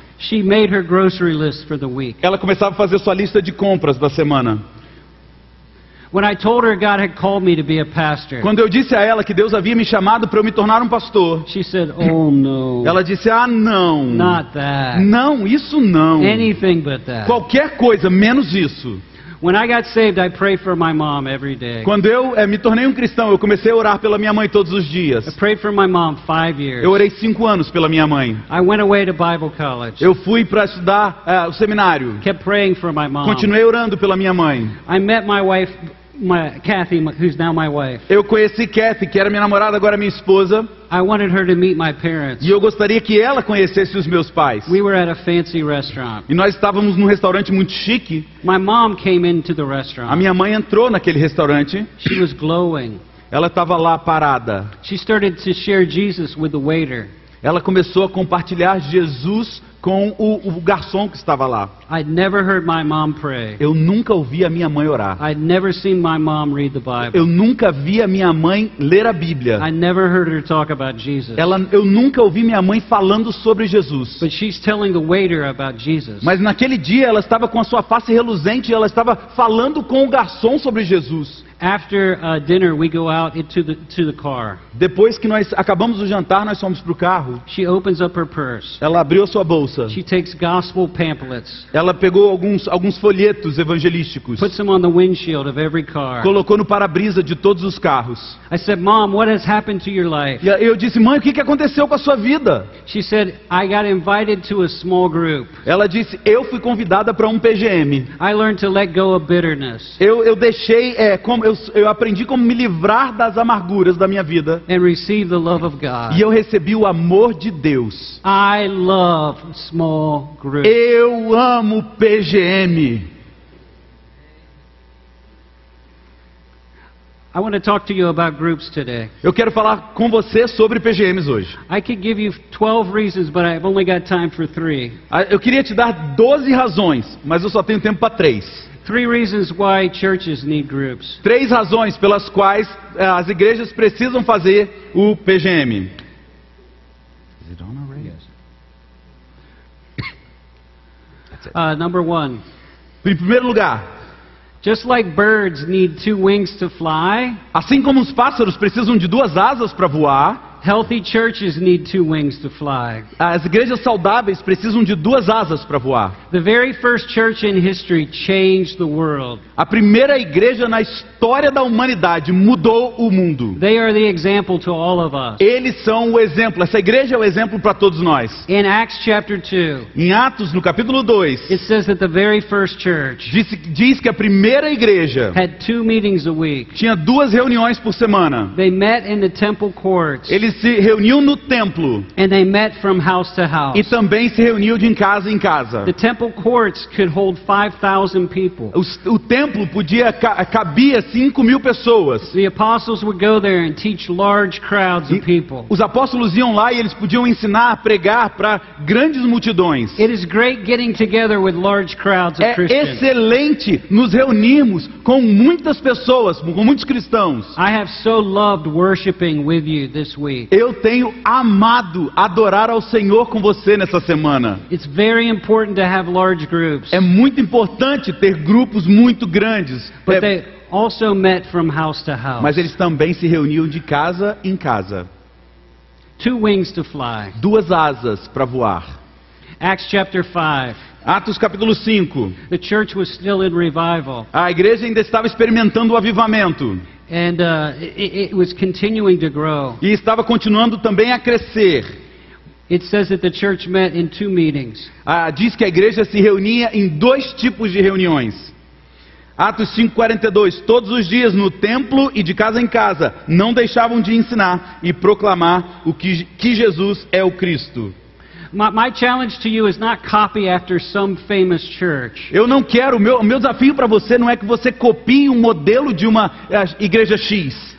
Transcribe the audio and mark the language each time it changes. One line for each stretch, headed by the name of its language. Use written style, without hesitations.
English: She made her grocery list for the week.
Portuguese: Ela começava a fazer sua lista de compras da semana.
English: When I told her God had called me to be a pastor.
Portuguese: Quando eu disse a ela que Deus havia me chamado para eu me tornar um pastor.
English: She said, "Oh no."
Portuguese: Ela disse, "Ah, não."
English: Not that.
Portuguese: Não, isso não.
English: Anything but that.
Portuguese: Qualquer coisa menos isso.
English: When I got saved, I prayed for my mom every day.
Portuguese: Quando eu me tornei um cristão, eu comecei a orar pela minha mãe todos os dias.
English: I prayed for my mom 5 years.
Portuguese: Eu orei 5 anos pela minha mãe.
English: I went away to Bible college.
Portuguese: Eu fui para estudar o seminário.
English: Kept praying for my mom.
Portuguese: Continuei orando pela minha mãe.
English: I met my wife, Kathy, who's now my wife.
Portuguese: Eu conheci Kathy, que era minha namorada, agora minha esposa.
English: I wanted her to meet my parents.
Portuguese: E eu gostaria que ela conhecesse os meus pais.
English: We were at a fancy restaurant.
Portuguese: E nós estávamos num restaurante muito chique.
English: My mom came into the restaurant.
Portuguese: A minha mãe entrou naquele restaurante.
English: She was glowing.
Portuguese: Ela estava lá parada.
English: She started to share Jesus with the waiter.
Portuguese: Ela começou a compartilhar Jesus com o garçom que estava lá.
English: I'd never heard my mom pray.
Portuguese: Eu nunca ouvi a minha mãe orar.
English: I'd never seen my mom read the Bible.
Portuguese: Eu nunca vi a minha mãe ler a Bíblia.
English: I'd never heard her talk about Jesus.
Portuguese: Eu nunca ouvi minha mãe falando sobre Jesus.
English: But she's telling the waiter about Jesus.
Portuguese: Mas naquele dia ela estava com a sua face reluzente e ela estava falando com o garçom sobre Jesus.
English: After dinner, we go out to the car.
Portuguese: Depois que nós acabamos o jantar, nós fomos pro carro.
English: She opens up her purse.
Portuguese: Ela abriu a sua bolsa.
English: She takes gospel pamphlets.
Portuguese: Ela pegou alguns folhetos evangelísticos.
English: Puts them on the windshield of every car.
Portuguese: Colocou no para-brisa de todos os carros.
English: I said, Mom, what has happened to your life?
Portuguese: E eu disse, mãe, o que aconteceu com a sua vida?
English: She said, I got invited to a small group.
Portuguese: Ela disse, eu fui convidada para um PGM.
English: I learned to let go of bitterness.
Portuguese: Eu deixei eu aprendi como me livrar das amarguras da minha vida.
English: And receive the love of God.
Portuguese: E eu recebi o amor de Deus.
English: I love small groups.
Portuguese: Eu amo PGM.
English: I want to talk to you about groups today.
Portuguese: Eu quero falar com você sobre PGMs hoje.
English: I could give you 12 reasons, but I've only got time for 3.
Portuguese: Eu queria te dar 12 razões, mas eu só tenho tempo para 3.
English: 3 reasons why churches need groups.
Portuguese: 3 razões pelas quais as igrejas precisam fazer o PGM.
English: Is it on already? Yes. Number 1.
Portuguese: Em primeiro lugar,
English: just like birds need 2 wings to fly,
Portuguese: assim como os pássaros precisam de 2 asas para voar,
English: healthy churches need 2 wings to fly.
Portuguese: As igrejas saudáveis precisam de 2 asas para voar.
English: The very first church in history changed the world.
Portuguese: A primeira igreja na história da humanidade mudou o mundo.
English: They are the example to all of us.
Portuguese: Eles são o exemplo. Essa igreja é o exemplo para todos nós.
English: In Acts chapter 2.
Portuguese: Em Atos, no capítulo 2.
English: It says that the very first church
Portuguese: diz que a primeira igreja
English: had 2 meetings a week.
Portuguese: Tinha 2 reuniões por semana.
English: They met in the temple courts.
Portuguese: Eles se reuniam no templo.
English: And they met from house to house.
Portuguese: E também se reuniam de casa em casa.
English: The temple courts could hold 5,000 people.
Portuguese: O templo podia cabia 5,000 pessoas.
English: The apostles would go there and teach large crowds of people.
Portuguese: Os apóstolos iam lá e eles podiam ensinar, pregar para grandes multidões.
English: It is great getting together with large crowds of Christians.
Portuguese: É excelente nos reunirmos com muitas pessoas, com muitos cristãos.
English: I have so loved worshiping with you this week.
Portuguese: Eu tenho amado adorar ao Senhor com você nessa semana.
English: It's very important to have large groups.
Portuguese: É muito importante ter grupos muito grandes.
English: But they also met from house to house.
Portuguese: Mas eles também se reuniam de casa em casa.
English: 2 wings to fly.
Portuguese: 2 asas para voar.
English: Acts chapter 5.
Portuguese: Atos capítulo 5.
English: The church was still in revival.
Portuguese: A igreja ainda estava experimentando o avivamento.
English: And it was continuing to grow.
Portuguese: E estava continuando também a crescer.
English: It says that the church met in 2 meetings.
Portuguese: Diz que a igreja se reunia em 2 tipos de reuniões. Atos 5:42. Todos os dias no templo e de casa em casa, não deixavam de ensinar e proclamar o que Jesus é o Cristo.
English: My challenge to you is not copy after some famous church.
Portuguese: Eu não quero, meu desafio para você não é que você copie um modelo de uma igreja X.